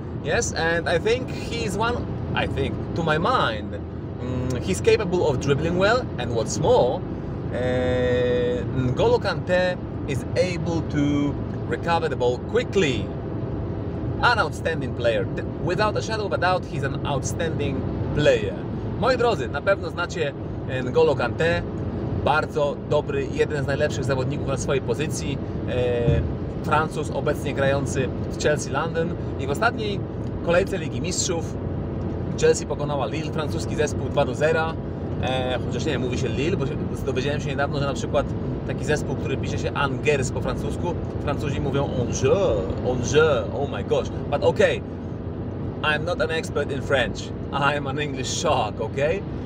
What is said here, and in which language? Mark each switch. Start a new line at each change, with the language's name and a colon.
English: Yes, and I think he's one, I think, to my mind, he's capable of dribbling well, and what's more, N'Golo Kanté is able to recover the ball quickly. An outstanding player. Without a shadow of a doubt, he's an outstanding player.
Polish: Moi drodzy, na pewno znacie N'Golo Kanté. Bardzo dobry, jeden z najlepszych zawodników na swojej pozycji. Francuz obecnie grający w Chelsea London. I w ostatniej kolejce Ligi Mistrzów Chelsea pokonała Lille, francuski zespół 2-0. Chociaż nie, mówi się Lille, bo dowiedziałem się niedawno, że na przykład taki zespół, który pisze się Angers po francusku, Francuzi mówią Angers,
English: oh my gosh. But okay, I'm not an expert in French. I'm an English shark, okay?